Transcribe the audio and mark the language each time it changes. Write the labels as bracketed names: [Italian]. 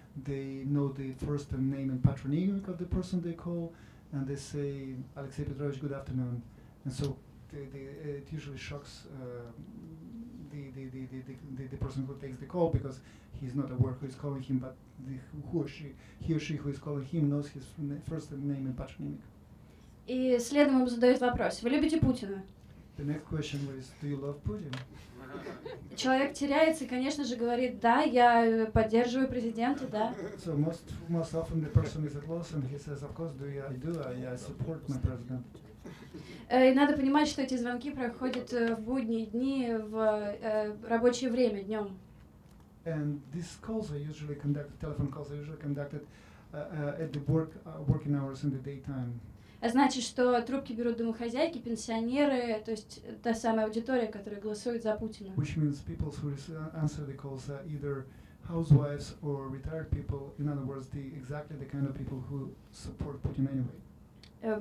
[English] They know the first name and patronymic of the person they call, and they say, Алексей Петрович, good afternoon. And so it usually shocks the person who takes the call, because he's not aware who is calling him, but he or she who is calling him knows his first name and patronymic. [Russian] И следом ему задают вопрос: вы любите Путина? [English] The next question was, do you love Putin? [Russian] Человек теряется и, конечно же, говорит: да, я поддерживаю президента, да. [English] So most often the person is at loss and he says, of course, I support my president. [Russian] И надо понимать, что эти звонки проходят в будние дни, в рабочее время, днем. [English] And these calls are usually conducted, telephone calls are usually conducted at the working hours in the daytime. [Russian] А значит, что трубки берут домохозяйки, пенсионеры, то есть та самая аудитория, которая голосует за Путина. [English] Which means people who answer the calls are either housewives or retired people, in other words, exactly the kind of people who support Putin anyway.